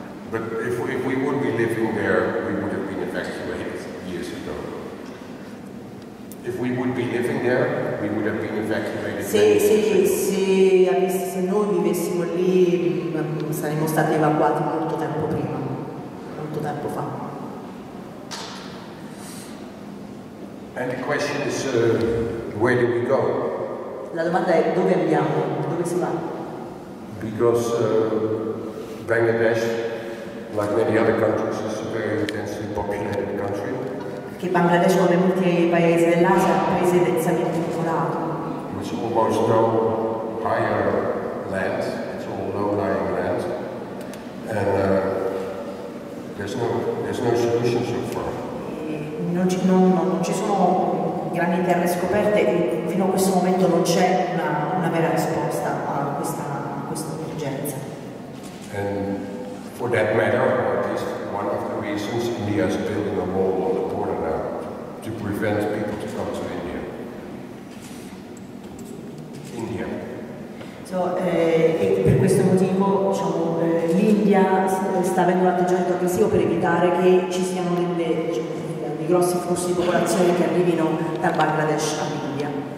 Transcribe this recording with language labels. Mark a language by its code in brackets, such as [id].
[en] But if we would be living there, we would have been evacuated years ago. If we would be living there, we would have been evacuated. [it] Se noi vivessimo lì, saremmo stati evacuati molto tempo prima, molto tempo fa. [en] And the question is, where do we go? [it] La domanda è dove andiamo, dove si va? [en] Because Bangladesh, like many other countries, is a very densely populated country. [it] Che Bangladesh, come molti paesi dell'Asia, è un paese densamente popolato. [en] With almost no higher land, it's all low-lying land, and there's no solution so far. [it] Non ci sono grandi terre scoperte e fino a questo momento non c'è una vera risposta a questa emergenza. [en] And for that matter, at least one of the reasons India is building a wall on the border now to prevent people to come to India. India. [it] So, per questo motivo, diciamo, l'India sta avendo un atteggiamento aggressivo per evitare che ci siano dei grossi flussi di popolazione che arrivino da Bangladesh all'India.